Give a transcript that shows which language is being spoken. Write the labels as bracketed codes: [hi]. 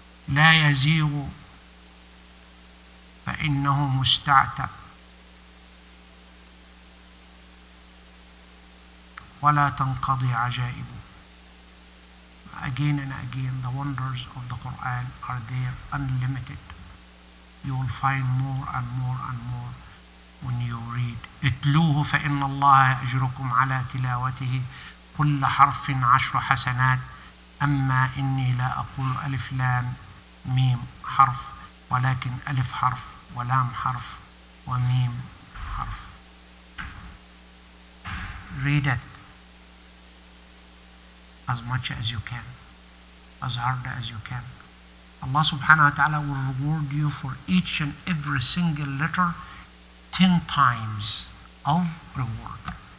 [ar] لَا يَزِيغُ فَإِنَّهُ مُسْتَعْتَبْ وَلَا تَنْقَضِي عَجَائِبُ. [en] Again and again, the wonders of the Qur'an are there, unlimited. You will find more and more and more when you read. [ar] اتلوهُ فَإِنَّ اللَّهَ يَأْجُرُكُمْ عَلَى تِلَاوَتِهِ كل حرف عشر حسنات أما إني لا أقول ألف لام ميم حرف ولكن ألف حرف ولام حرف وميم حرف. [en] Read it as much as you can, as hard as you can. Allah subhanahu wa ta'ala will reward you for each and every single letter 10 times of reward.